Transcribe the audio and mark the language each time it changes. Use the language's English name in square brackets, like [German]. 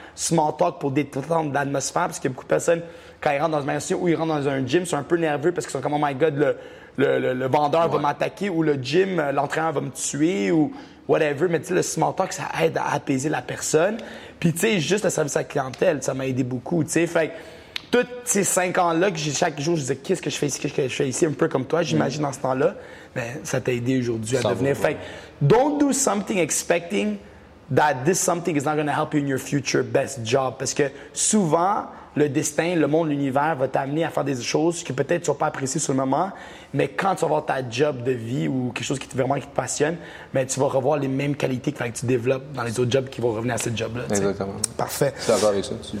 [French] Small talk pour détendre l'atmosphère parce qu'il y a beaucoup de personnes, quand ils rentrent dans un magasin ou ils rentrent dans un gym, sont un peu nerveux parce qu'ils sont comme, [English] oh my god, [French] le vendeur va m'attaquer ou le gym, l'entraîneur va me tuer ou whatever, mais tu sais, le small talk, ça aide à apaiser la personne. Puis tu sais, juste le service à la clientèle, ça m'a aidé beaucoup, tu sais. Fait que, tous ces 5 ans-là, que chaque jour, je disais, qu'est-ce que je fais ici, qu'est-ce que je fais ici, un peu comme toi, j'imagine, dans ce temps-là, ben, ça t'a aidé aujourd'hui à devenir. Fait que, [English] don't do something expecting that this something is not going to help you in your future best job. [French] Parce que souvent, le destin, le monde, l'univers va t'amener à faire des choses que peut-être tu n'as pas apprécié sur le moment, mais quand tu vas avoir ta job de vie ou quelque chose qui vraiment qui te passionne, ben, tu vas revoir les mêmes qualités que tu développes dans les autres jobs qui vont revenir à ce job-là. T'sais. Exactement. Parfait. Je suis d'accord avec ça.